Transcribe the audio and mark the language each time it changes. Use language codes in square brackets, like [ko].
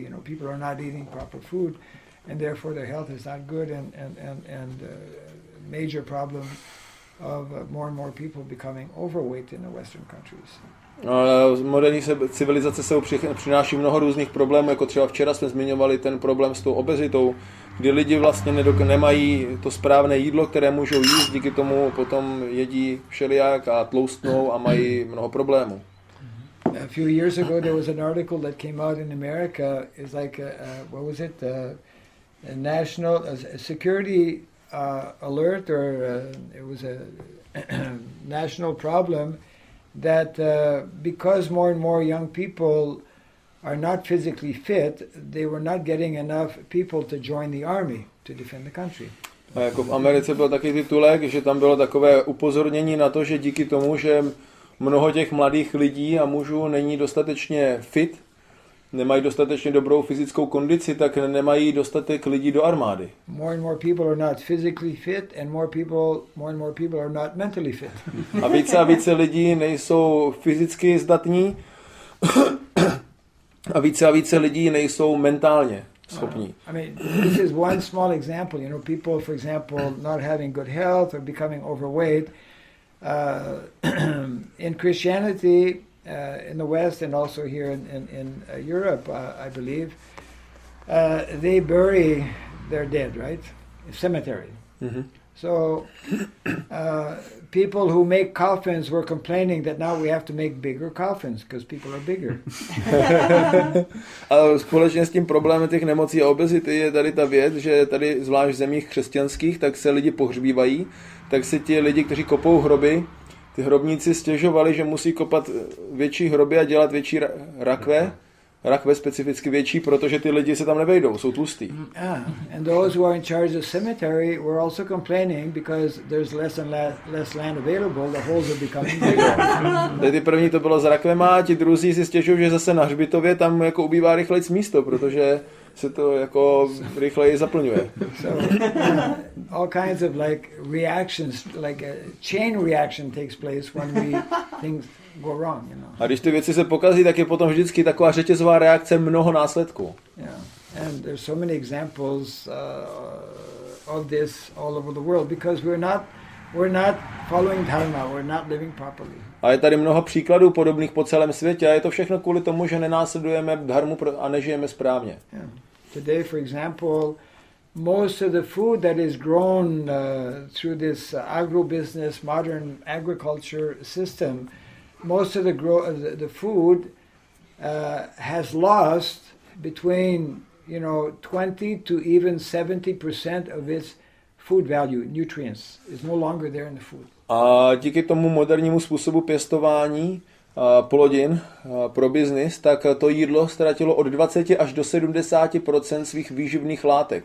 [en] You know, people are not eating proper food, and therefore their health is not good. And major problem of more and more people becoming overweight in the Western countries. [cs] Moderní civilizace se přináší mnoho různých problémů, jako třeba včera jsme zmiňovali ten problém s tou obezitou, kdy lidi vlastně nemají to správné jídlo, které můžou jíst, díky tomu potom jedí všelijak a tloustnou a mají mnoho problémů. [en] A few years ago there was an article that came out in America, is like what was it, a national security alert, or it was a national problem that because more and more young people are not physically fit, they were not getting enough people to join the army to defend the country. [cs] A jako v Americe byl taky titulek, že tam bylo takové upozornění na to, že díky tomu, že mnoho těch mladých lidí a mužů není dostatečně fit, nemají dostatečně dobrou fyzickou kondici, tak nemají dostatek lidí do armády. [en] More and more people are not physically fit, and more and more people are not mentally fit. [cs] A více lidí nejsou fyzicky zdatní a více lidí nejsou mentálně schopní. [en] I mean, this is one small example. You know, people, for example, not having good health or becoming overweight. In Christianity, in the West and also here in Europe, I believe, they bury their dead, right? A cemetery. Mm-hmm. So people who make coffins were complaining that now we have to make bigger coffins because people are bigger. [cs] A společně s tím problémem těch nemocí a obezity je tady ta věc, že tady zvlášť v zemích křesťanských, tak se lidi pohřbívají, tak se ti lidi, kteří kopou hroby, ty hrobníci stěžovali, že musí kopat větší hroby a dělat větší rakve specificky větší, protože ty lidi se tam nevejdou, jsou tlustí. [en] And those who are in charge of cemetery were also complaining because there's less and less land available, the holes are becoming bigger. [cs] Ty první to bylo s rakvema, ti druzí si stěžují, že zase na hřbitově tam jako ubývá rychleji místo, protože se to jako rychleji zaplňuje. [en] So, all kinds of like reactions, like a chain reaction takes place when we things go wrong, you know. [cs] A když ty věci se pokazí, tak je potom vždycky taková řetězová reakce mnoho následků. [en] Yeah. And there's so many examples of this all over the world because we're not following dharma, we're not living properly. [cs] A je tady mnoho příkladů podobných po celém světě a je to všechno kvůli tomu, že nenásledujeme dharmu a nežijeme správně. [en] Yeah. Today, for example, most of the food that is grown through this agro-business, modern agriculture system, most of the food has lost between, you know, 20 to even 70% of its food value, nutrients, is no longer there in the food. [cs] A díky tomu modernímu způsobu pěstování plodin pro biznis, tak to jídlo ztratilo od 20 až do 70% svých výživných látek.